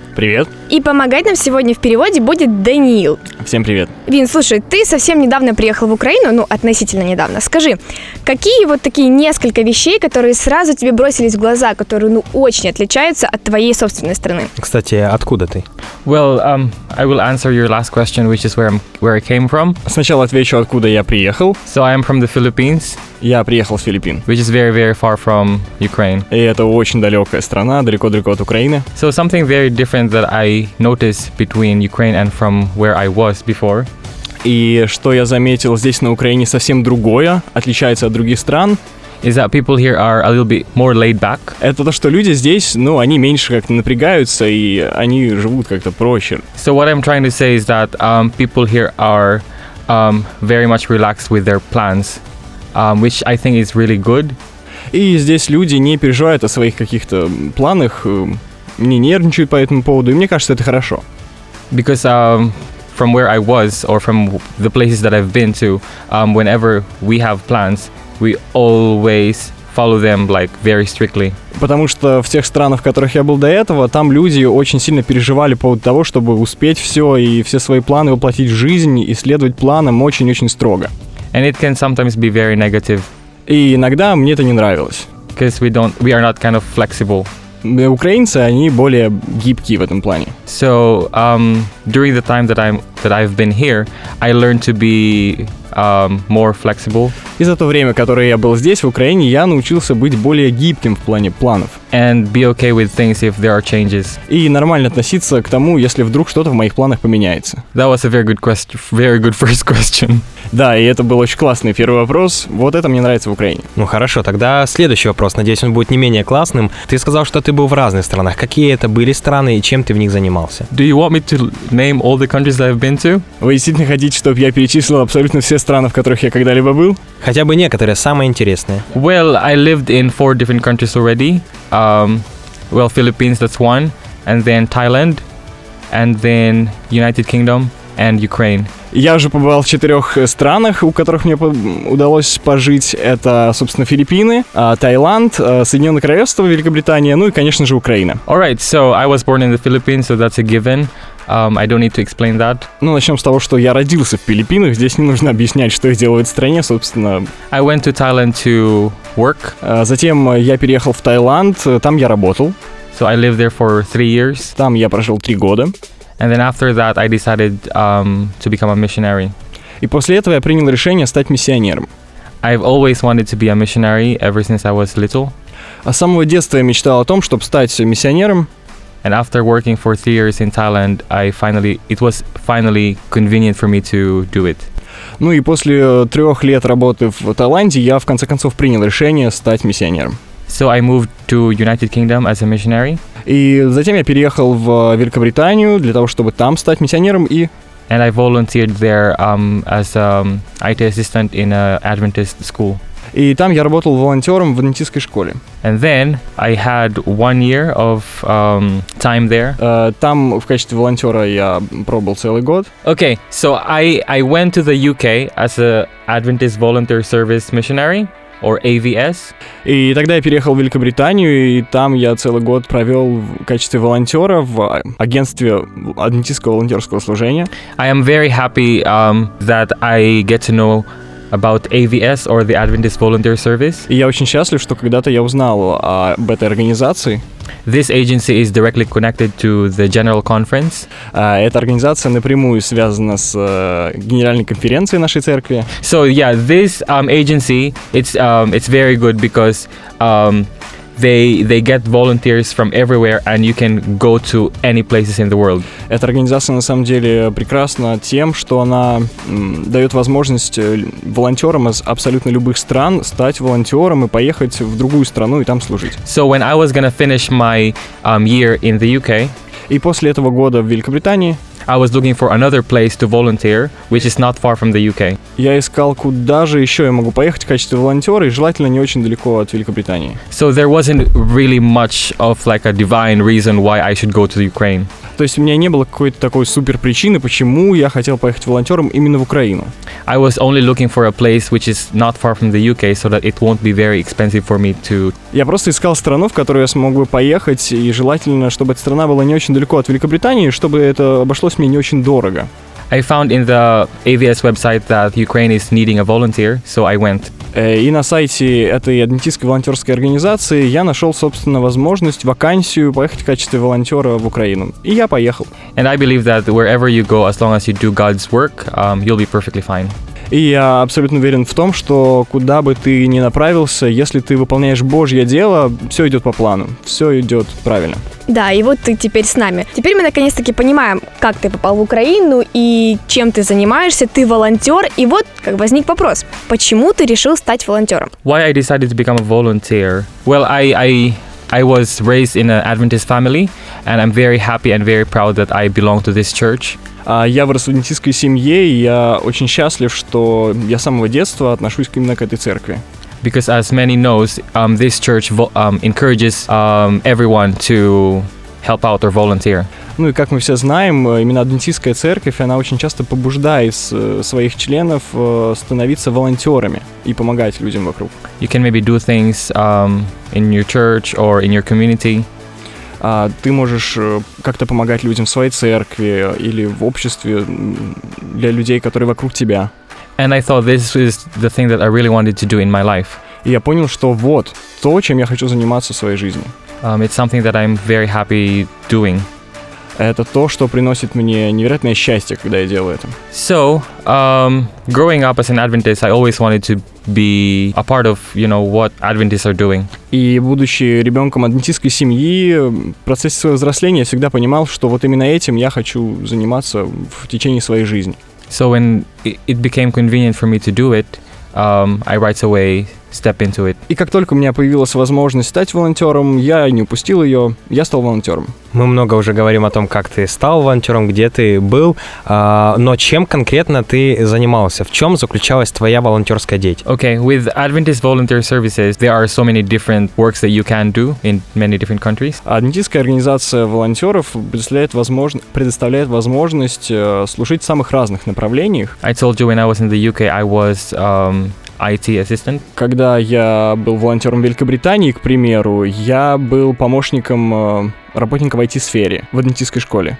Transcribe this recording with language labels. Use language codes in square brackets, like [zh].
[ru] Привет. И помогать нам сегодня в переводе будет Даниил. Всем привет. Вин, слушай, ты совсем недавно приехал в Украину, ну, относительно недавно. Скажи, какие вот такие несколько вещей, которые сразу тебе бросились в глаза, которые, ну, очень отличаются от твоей собственной страны? Кстати, откуда ты? [en] Well, I will answer your last question, which is where I came from. [ru] Сначала отвечу, откуда я приехал. [en] So I am from the Philippines. [ru] Я приехал с Филиппин. [en] Which is very, very far from Ukraine. [ru] И это очень далекая страна, далеко-далеко от Украины. [en] So something very different that I noticed between Ukraine and from where I was before. [ru] И что я заметил здесь на Украине совсем другое, отличается от других стран. [en] Is that people here are a little bit more laid back. [ru] Это то, что люди здесь, ну, они меньше как-то напрягаются, и они живут как-то проще. [en] So what I'm trying to say is that people here are very much relaxed with their plans, which I think is really good. [ru] И здесь люди не переживают о своих каких-то планах, не нервничают по этому поводу, и мне кажется, это хорошо. [en] Because from where I was, or from the places that I've been to, whenever we have plans, we always follow them like very strictly. [ru] Потому что в тех странах, в которых я был до этого, там люди очень сильно переживали по поводу того, чтобы успеть все и все свои планы воплотить в жизнь и следовать планам очень-очень строго. [en] And it can sometimes be very negative. [ru] И иногда мне это не нравилось. [en] Because we are not kind of flexible. [ru] Украинцы, они более гибкие в этом плане. [en] So, during the time that I've been here, I learned to be more flexible. [ru] И за то время, которое я был здесь, в Украине, я научился быть более гибким в плане планов. [en] And be okay with things if there are changes. [ru] И нормально относиться к тому, если вдруг что-то в моих планах поменяется. [en] That was a very good question, very good first question. [ru] Да, и это был очень классный первый вопрос. Вот это мне нравится в Украине. Ну хорошо, тогда следующий вопрос. Надеюсь, он будет не менее классным. Ты сказал, что ты был в разных странах. Какие это были страны и чем ты в них занимался? [en] Do you want me to name all the countries that I've been to? [ru] Вы действительно хотите, чтобы я перечислил абсолютно все страны, в которых я когда-либо был? Хотя бы некоторые, самые интересные. [en] Well, I lived in 4 different countries already. Well, Philippines, that's one. And then Thailand. And then United Kingdom. And Ukraine. [ru] Я уже побывал в 4 странах, у которых мне удалось пожить. Это, собственно, Филиппины, Таиланд, Соединенное Королевство, Великобритания, ну и, конечно же, Украина. [en] All right, so I was born in the Philippines, so that's a given. I don't need to explain that. [ru] Ну, начнем с того, что я родился в Филиппинах. Здесь не нужно объяснять, что я делаю в стране, собственно. [en] I went to Thailand to work. [ru] Затем я переехал в Таиланд, там я работал. [en] So I lived there for 3 years. [ru] Там я прожил 3 года. [en] And then after that I decided to become a missionary. [ru] И после этого я принял решение стать миссионером. [en] I've always wanted to be a missionary ever since I was little. [ru] А с самого детства я мечтал о том, чтобы стать миссионером. [en] And after working for 3 years in Thailand, it was finally convenient for me to do it. [ru] Ну и после 3 лет работы в Таиланде я в конце концов принял решение стать миссионером. [en] So I moved to United Kingdom as a missionary. [ru] И затем я переехал в Великобританию для того, чтобы там стать миссионером и. [en] And I volunteered there as an IT assistant in an Adventist school. [ru] И там я работал волонтером в адвентистской школе. [en] And then I had 1 year of time there. [ru] Там в качестве волонтера я пробыл целый год. [en] Okay, so I went to the UK as an Adventist Volunteer Service Missionary, or AVS. [ru] И тогда я переехал в Великобританию, и там я целый год провел в качестве волонтера в агентстве адвентистского волонтерского служения. [en] I am very happy that I get to know about AVS or the Adventist Volunteer Service. [ru] И я очень счастлив, что когда-то я узнал об этой организации. [en] This agency is directly connected to the General Conference. [ru] Эта организация напрямую связана с генеральной конференцией нашей церкви. [en] So yeah, this agency it's very good because they get volunteers from everywhere and you can go to any places in the world. [ru] Эта организация на самом деле прекрасна тем, что она дает возможность волонтерам из абсолютно любых стран стать волонтером и поехать в другую страну и там служить. [en] So when I was gonna finish my year in the UK, [ru] и после этого года в Великобритании, [en] I was looking for another place to volunteer, which is not far from the UK. [ru] Я искал, куда же еще я могу поехать в качестве волонтера, и желательно не очень далеко от Великобритании. [en] So there wasn't really much of like a divine reason why I should go to Ukraine. [ru] То есть у меня не было какой-то такой супер причины, почему я хотел поехать волонтером именно в Украину. [en] I was only looking for a place which is not far from the UK, so that it won't be very expensive for me to. [ru] Я просто искал страну, в которую я смог бы поехать, и желательно, чтобы эта страна была не очень далеко от Великобритании, чтобы это обошлось мне не очень дорого. [en] I found in the AVS website that Ukraine is needing a volunteer, so I went. [ru] И на сайте этой адвентистской волонтерской организации я нашел, собственно, возможность, вакансию поехать в качестве волонтера в Украину. И я поехал. [en] And I believe that wherever you go, as long as you do God's work, you'll be perfectly fine. [ru] И я абсолютно уверен в том, что куда бы ты ни направился, если ты выполняешь Божье дело, все идет по плану, все идет правильно. Да, и вот ты теперь с нами. Теперь мы наконец-таки понимаем, как ты попал в Украину и чем ты занимаешься. Ты волонтер, и вот как возник вопрос: почему ты решил стать волонтером? [en] Why I decided to become a volunteer? Well, I was raised in an Adventist family, and I'm very happy and very proud that I belong to this church. [ru] Я вырос в адвентистской семье, и я очень счастлив, что я с самого детства отношусь именно к этой церкви. [en] Because as many knows, this church encourages everyone to help out or volunteer. [ru] Ну и как мы все знаем, именно адвентистская церковь, она очень часто побуждает своих членов становиться волонтерами и помогать людям вокруг. [en] You can maybe do things in your church or in your community. [ru] Ты можешь как-то помогать людям в своей церкви или в обществе для людей, которые вокруг тебя. [en] And I thought this is the thing that I really wanted to do in my life. [ru] И я понял, что вот то, чем я хочу заниматься в своей жизни. [en] It's something that I'm very happy doing. [ru] Это то, что приносит мне невероятное счастье, когда я делаю это. [en] So, growing up as an Adventist, I always wanted to be a part of, you know, what Adventists are doing. [ru] И будучи ребенком адвентистской семьи, в процессе своего взросления я всегда понимал, что вот именно этим я хочу заниматься в течение своей жизни. [en] So when it became convenient for me to do it, I right away step into it. [ru] И как только у меня появилась возможность стать волонтером, я не упустил ее, я стал волонтером. Мы много уже говорим о том, как ты стал волонтером, где ты был, но чем конкретно ты занимался? В чем заключалась твоя волонтерская деятельность? [en] Okay, with Adventist Volunteer Services, there are so many different works that you can do in many different countries. [ru] Адвентистская организация волонтеров предоставляет возможность служить в самых разных направлениях. [en] I told you when I was in the UK, I was [ru] IT-ассистент? Когда я был волонтером в Великобритании, к примеру, я был помощником работника в IT-сфере в адвентистской школе.